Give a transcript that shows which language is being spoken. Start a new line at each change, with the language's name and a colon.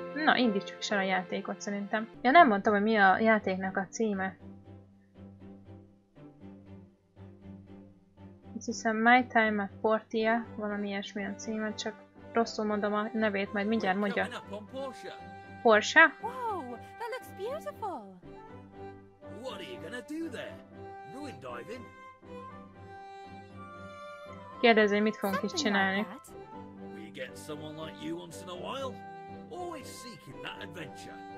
Hungarian: Na, indítsuk is el a játékot szerintem. Ja, nem mondtam, hogy mi a játéknak a címe. Azt hiszem My Time at Portia, valami ilyesmilyen címe, csak rosszul mondom a nevét, majd mindjárt mondja. Porsche?
English: Wow, that looks beautiful! What are you gonna do there? Ruin diving?
Hungarian: Kérdezi, hogy mit fogunk is csinálni.
English: We get someone like you once in a while. Always seeking that adventure.